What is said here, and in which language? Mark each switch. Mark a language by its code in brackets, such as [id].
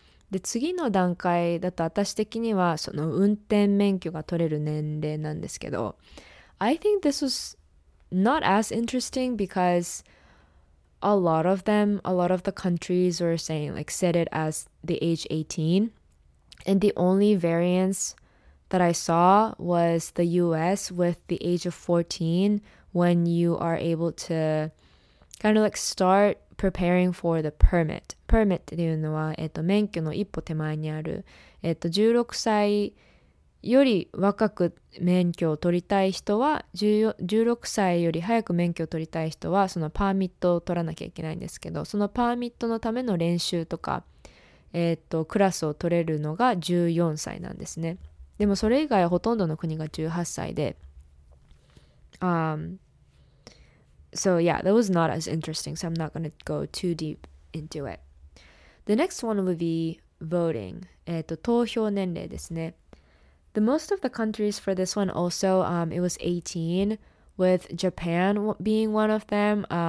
[ja] で、次の段階だと私的にはその運転免許が取れる年齢なんですけど、 [en] I think this was not as interesting becauseala lot of the countries were saying, like, set it as the age 18. And the only variance that I saw was the US with the age of 14, when you are able to kind of like start preparing for the permit. [ja] Permit っていうのは、免許の一歩手前にある、16歳より若く免許を取りたい人は、16歳より早く免許を取りたい人はそのパーミットを取らなきゃいけないんですけど、そのパーミットのための練習とか、クラスを取れるのが14歳なんですね。でもそれ以外はほとんどの国が18歳で、 [en] So yeah, that was not as interesting, so I'm not going to go too deep into it. The next one would be voting. [ja] 投票年齢ですね。 [en] The most of the countries for this one also, it was 18, with Japan being one of them.